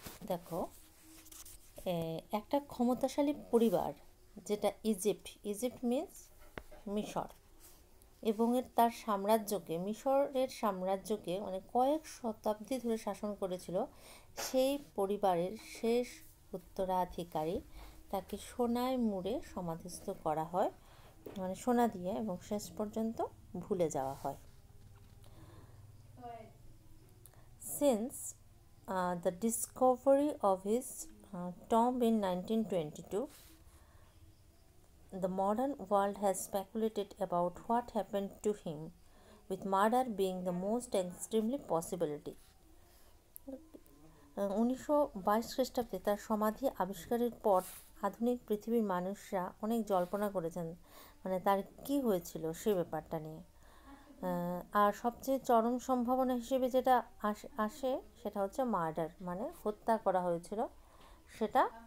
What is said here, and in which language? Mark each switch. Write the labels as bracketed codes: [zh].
[bn] দেখো, একটা ক্ষমতাশালী পরিবার যেটা ইজিপ্ট, ইজিপ্ট মিন্স মিশর, এবং এর তার সাম্রাজ্যকে, মিশরের সাম্রাজ্যকে মানে কয়েক শতাব্দী ধরে শাসন করেছিল, সেই পরিবারের শেষ উত্তরাধিকারী তাকে সোনায় মুড়ে সমাধিস্থ করা হয়, মানে সোনা দিয়ে, এবং শেষ পর্যন্ত ভুলে যাওয়া হয়। [en] Since the discovery of his tomb in 1922, the modern world has speculated about what happened to him, with murder being the most extremely possibility. [bn] 1922 খ্রিস্টাব্দে তার সমাধি আবিষ্কারের পর আধুনিক পৃথিবীর মানুষরা অনেক জল্পনা করেছেন, মানে তার কি হয়েছিল সে ব্যাপারটা নিয়ে। আর সবচেয়ে চরম সম্ভাবনা হিসেবে যেটা আসে সেটা হচ্ছে মার্ডার, মানে হত্যা করা হয়েছিল সেটা।